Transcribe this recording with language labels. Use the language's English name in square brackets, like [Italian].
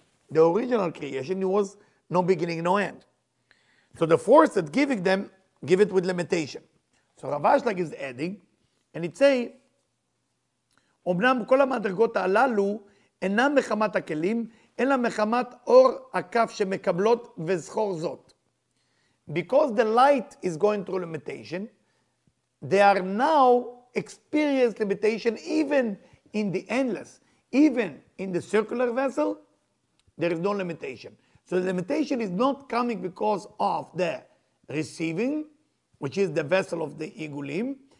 [English] The original creation was no beginning, no end. So the force that giving them, give it with limitation. So Rav Ashlag is adding, and it say, [Hebrew] אמנם כל המדרגות הללו אינם מחמת הכלים, אלא מחמת אור הקף שמקבלות וזכור זאת. [English] Because the light is going through limitation, they are now experiencing limitation even in the endless. Even in the circular vessel, there is no limitation. So the limitation is not coming because of the receiving, which is the vessel of the igulim.